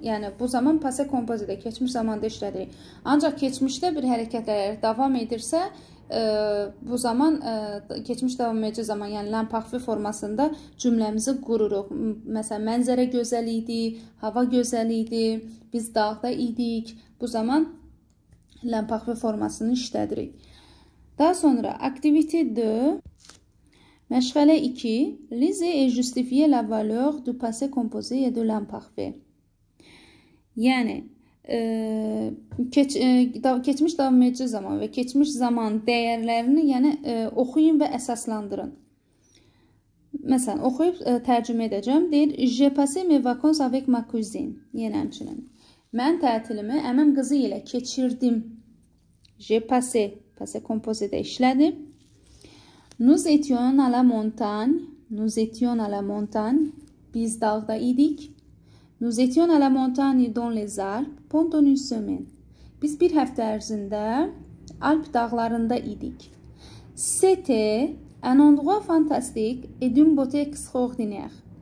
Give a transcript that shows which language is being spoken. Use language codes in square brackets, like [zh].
[az] Yəni bu zaman passé composé-də keçmiş zamanda işlədirik. Ancaq keçmişdə bir hərəkətlər davam edirsə, bu zaman keçmiş davam edici zaman, yəni l'imparfait formasında cümləmizi qururuq. Məsələn, mənzərə gözəl idi, hava gözəl idi, biz dağda idik. Bu zaman l'imparfait formasını işlədirik. Daha sonra activité 2. Məşğələ 2. [fr] Lisez et justifiez la valeur du passé composé et de l'imparfait. [az] Yəni, keçmiş davam edici zaman və keçmiş zaman dəyərlərini yəni oxuyun və əsaslandırın. Məsələn, oxuyub tərcümə edəcəm. Deyir, [fr] je passe mes vacances avec ma cousine. [az] Yəni, həmçinin. Mən tətilimi əmim qızı ilə keçirdim. [fr] Je passe, [az] passé composé-də işlədim. [fr] Nous étions à la montagne, [az] biz dağda idik. [fr] Nous étions à la montagne dans les Alpes pendant une semaine. [az] Biz bir hafta ərzində Alp dağlarında idik. [fr] C'était un endroit fantastique et d'une beauté extraordinaire.